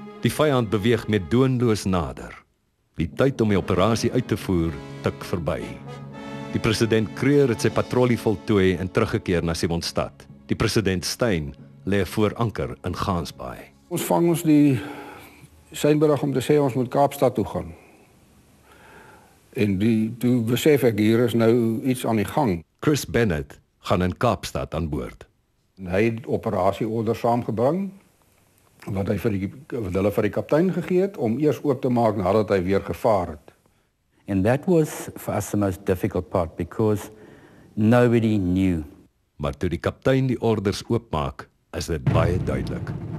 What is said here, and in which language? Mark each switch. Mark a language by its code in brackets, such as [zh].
[af] Die vyand beweeg met doonloos nader. Die tyd om die operasie uit te voer tik verby. Die president Creer het sy patrollie voltooi en teruggekeer na Simonstad. Die president Stein lê voor anker in Gansbaai. Ons vang ons die seinbrug om te sê ons moet Kaapstad toe gaan. En toe besef ek, hier is nou iets aan die gang. Chris Bennett gaan in Kaapstad aan boord. Hy het operasieorders saamgebring. wat hy vir die wat hulle vir die kaptein gegee het om eers oop te maak nadat hy weer gevaar het. [en] And that was for us the most difficult part because nobody knew. [af] Maar toe die kaptein die orders oopmaak, is dit baie duidelik.